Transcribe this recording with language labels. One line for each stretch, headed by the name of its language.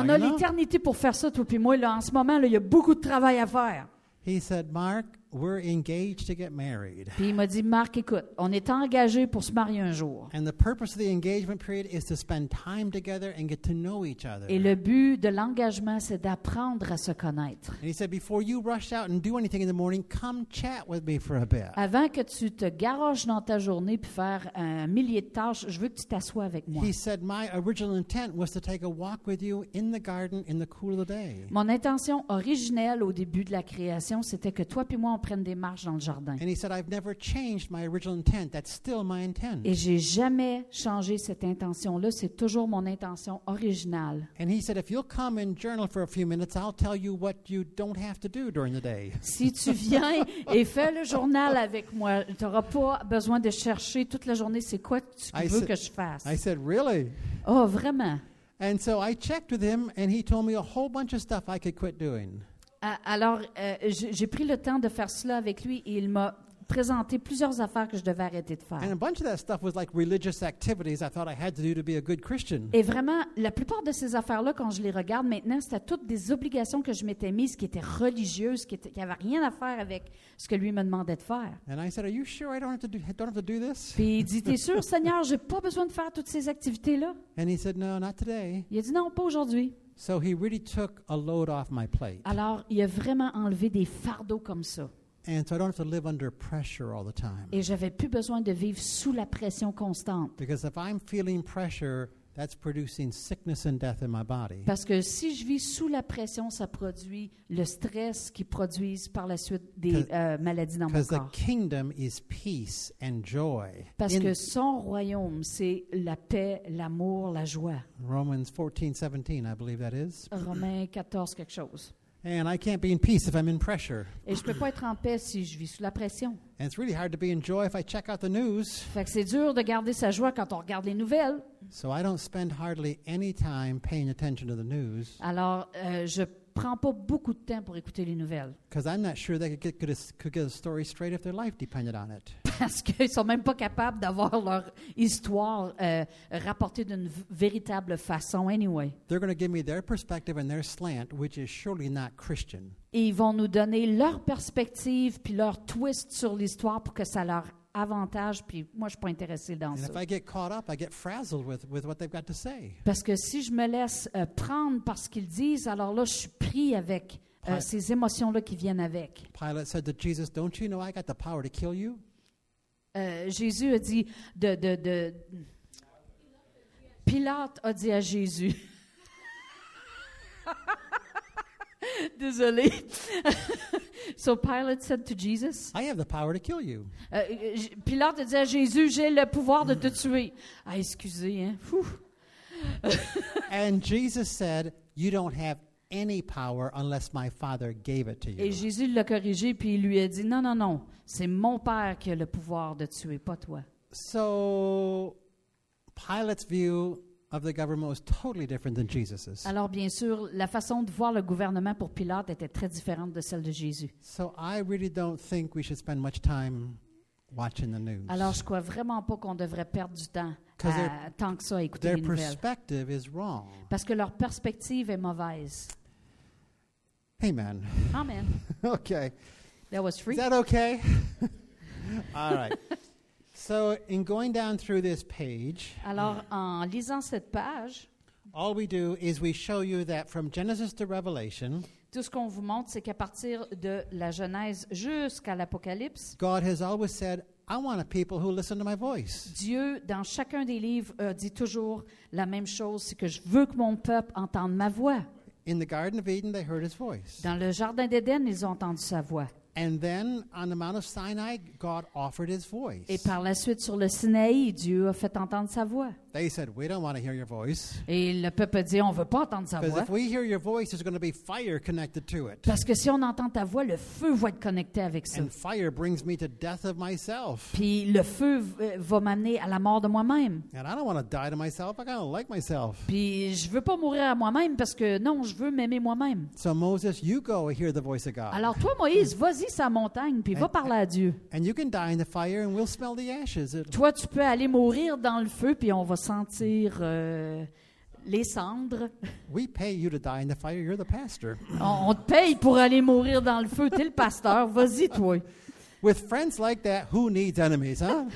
French: On a l'éternité pour faire ça, toi puis moi. Là, en ce moment, là, il y a beaucoup de travail à faire.
English: He said, "Mark, we're engaged to get married."
French: Puis il m'a dit, Marc, écoute, on est engagé pour se marier un jour.
English: And the purpose of the engagement period is to spend time together and get to know each other.
French: Et le but de l'engagement, c'est d'apprendre à se connaître.
English: And he said, "Before you rush out and do anything in the morning, come chat with me for a bit."
French: Avant que tu te garoches dans ta journée puis faire un millier de tâches, je veux que tu t'assoies avec moi.
English: He said, "My original intent was to take a walk with you in the garden in the cool of the day."
French: Mon intention originelle au début de la création, c'était que toi puis moi prennent des marches dans le jardin.
English: And he said, "I've never changed my original intent. That's still my intent."
French: Et j'ai jamais changé cette intention-là. C'est toujours mon intention originale.
English: And he said, "If you'll come and journal for a few minutes, I'll tell you what you don't have to do during the day."
French: Si tu viens et fais le journal avec moi, tu n'auras pas besoin de chercher toute la journée c'est quoi tu veux que je fasse.
English: I said, "Really?"
French: Oh, vraiment?
English: And so I checked with him, and he told me a whole bunch of stuff I could quit doing.
French: Alors, j'ai pris le temps de faire cela avec lui et il m'a présenté plusieurs affaires que je devais arrêter de faire.
English: And a bunch of that stuff was like religious activities I thought I had to do to be a good Christian.
French: Et vraiment, la plupart de ces affaires-là, quand je les regarde maintenant, c'était toutes des obligations que je m'étais mises qui étaient religieuses, qui n'avaient rien à faire avec ce que lui me demandait de faire.
English: And I said, "Are you sure I don't have to do this?"
French: Puis il dit, "T'es sûr, Seigneur, j'ai pas besoin de faire toutes ces activités-là?"
English: And he said, "No, not today."
French: Il a dit, "Non, pas aujourd'hui."
English: So he really took a load off my plate.
French: Alors, il a vraiment enlevé des fardeaux comme ça.
English: And so I don't have to live under pressure all the time.
French: Et j'avais plus besoin de vivre sous la pression constante.
English: Because if I'm feeling pressure, that's producing sickness and death in my body.
French: Parce que si je vis sous la pression, ça produit le stress qui produit par la suite des maladies dans mon corps.
English: Because the kingdom is peace and joy.
French: Parce que son royaume, c'est la paix, l'amour, la joie.
English: Romans 14:17, I believe that is.
French: Romains 14 quelque chose.
English: And I can't be in peace if I'm in pressure.
French: Et je peux pas être en paix si je vis sous la pression.
English: And it's really hard to be in joy if I check out the news.
French: Fait que c'est dur de garder sa joie quand on regarde les nouvelles.
English: So I don't spend hardly any time paying attention to the news.
French: Alors, je prends pas beaucoup de temps pour écouter les nouvelles.
English: Because I'm not sure they could get a story straight if their life depended on it.
French: Parce qu'ils sont même pas capables d'avoir leur histoire rapportée d'une véritable façon anyway.
English: They're going to give me their perspective and their slant, which is surely not Christian.
French: Et ils vont nous donner leur perspective puis leur twist sur l'histoire pour que ça leur avantage, puis moi, je ne suis pas intéressé dans ça.
English: I get caught up, I get frazzled with what they've got to say.
French: Parce que si je me laisse prendre par ce qu'ils disent, alors là, je suis pris avec ces émotions-là qui viennent avec.
English: Pilate said to Jesus, "Don't you know I got the power to kill you?"
French: Jésus a dit de Pilate a dit à Jésus. Désolé.
English: So Pilate said to Jesus, "I have the power to kill you."
French: Pilate a dit à Jésus, j'ai le pouvoir de te tuer. Ah, excusez, hein.
English: And Jesus said, "You don't have any power unless my Father gave it to you."
French: Et Jésus l'a corrigé puis il lui a dit, non, non, non, c'est mon Père qui a le pouvoir de tuer, pas toi.
English: So Pilate's view of the government was totally different than Jesus's.
French: Alors bien sûr, la façon de voir le gouvernement pour Pilate était très différente de celle de Jésus.
English: So I really don't think we should spend much time watching the news.
French: Alors je crois vraiment pas qu'on devrait perdre du temps tant que ça à écouter
English: their
French: les nouvelles.
English: Their perspective is wrong.
French: Parce que leur perspective est mauvaise.
English: Amen.
French: Amen.
English: Okay. That was free. Is that okay? All right. So in going down through this page,
French: alors en lisant cette page,
English: all we do is we show you that from Genesis to Revelation,
French: tout ce qu'on vous montre, c'est qu'à partir de la Genèse jusqu'à l'Apocalypse,
English: God has always said, "I want a people who listen to my voice."
French: Dieu, dans chacun des livres, dit toujours la même chose, c'est que je veux que mon peuple entende ma voix.
English: In the Garden of Eden, they heard his voice.
French: Dans le jardin d'Éden, ils ont entendu sa voix.
English: And then on the Mount of Sinai, God offered his voice.
French: Et par la suite sur le Sinaï, Dieu a fait entendre sa voix.
English: They said, "We don't want to hear your voice."
French: Et le peuple dit, on veut pas entendre sa voix.
English: Because if we hear your voice, there's going to be fire connected to it.
French: Parce que si on entend ta voix, le feu va être connecté avec ça.
English: And fire brings me to death of myself.
French: Puis le feu va m'amener à la mort de moi-même.
English: And I don't want to die to myself. I kind of like myself.
French: Puis je veux pas mourir à moi-même parce que non, je veux m'aimer moi-même.
English: So Moses, you go hear the voice of God.
French: Alors toi, Moïse, vas-y sa montagne puis va parler à Dieu.
English: And you can die in the fire, and we'll smell the ashes.
French: Toi, tu peux aller mourir dans le feu puis on va sentir les cendres.
English: We pay you to die in the fire. You're the pastor.
French: On te paye pour aller mourir dans le feu. T'es le pasteur. Vas-y, toi.
English: With friends like that, who needs enemies, huh?